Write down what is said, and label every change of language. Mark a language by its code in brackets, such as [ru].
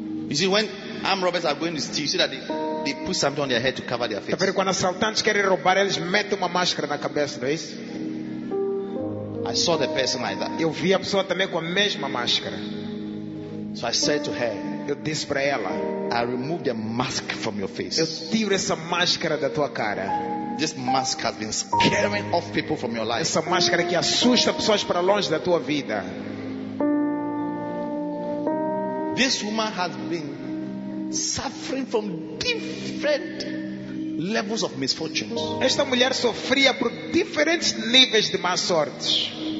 [en] You see, when armed robbers are going to steal, you see that they put something on their head to cover their face. [pt] Quando assaltantes querem roubar, eles metem uma máscara na cabeça, não é isso? [en] I saw the person like that. [pt] Eu vi a pessoa também com a mesma máscara. [en] So I said to her, [pt] eu disse para ela, [en] I removed the mask from your face. [pt] Eu tiro essa máscara da tua cara. [en] This mask has been scaring off people from your life. [pt] Essa máscara que assusta pessoas para longe da tua vida. [en] This woman has been suffering from different levels of misfortunes. [pt] Esta mulher sofria por diferentes níveis de má sorte.